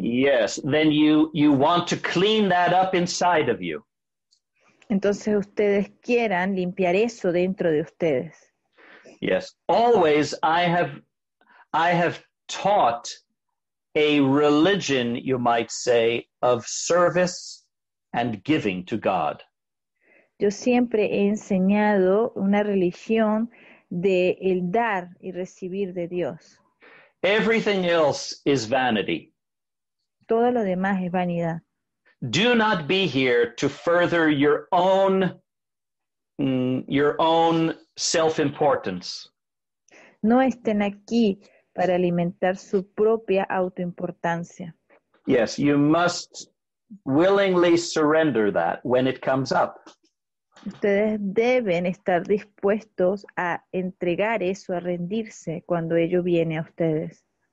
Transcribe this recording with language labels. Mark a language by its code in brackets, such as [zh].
[en] Yes, then you want to clean that up inside of you. [es] Entonces ustedes quieran limpiar eso dentro de ustedes. [en] Yes, always I have taught a religion, you might say, of service and giving to God. [es] Yo siempre he enseñado una religión de el dar y recibir de Dios. [en] Everything else is vanity. [es] Todo lo demás es vanidad. [en] Do not be here to further your own self-importance. [es] No estén aquí para alimentar su propia autoimportancia. [en] Yes, you must willingly surrender that when it comes up. [es] Ustedes deben estar dispuestos a entregar eso, a rendirse cuando ello viene a ustedes.